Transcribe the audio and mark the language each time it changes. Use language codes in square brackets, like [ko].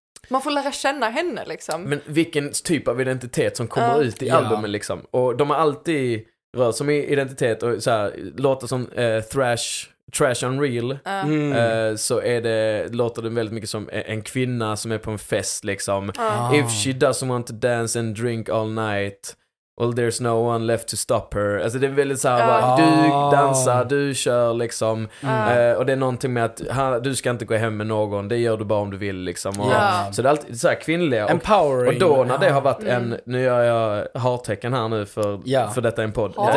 [sv] Man får lära känna henne liksom. Men vilken typ av identitet som kommer ut i albumen liksom. Och de har alltid... rör som identitet och så här, låter som Trash Unreal, så är det, låter den väldigt mycket som en kvinna som är på en fest liksom. [en] If she doesn't want to dance and drink all night, well there's no one left to stop her. [sv] Alltså det är väldigt så här, bara, du dansar, du kör liksom. Och det är någonting med att du ska inte gå hem med någon, det gör du bara om du vill liksom. Och, så det är alltid så här kvinnliga. Empowering. Och då när det har varit en, nu gör jag hardtecken här nu för detta är en podd.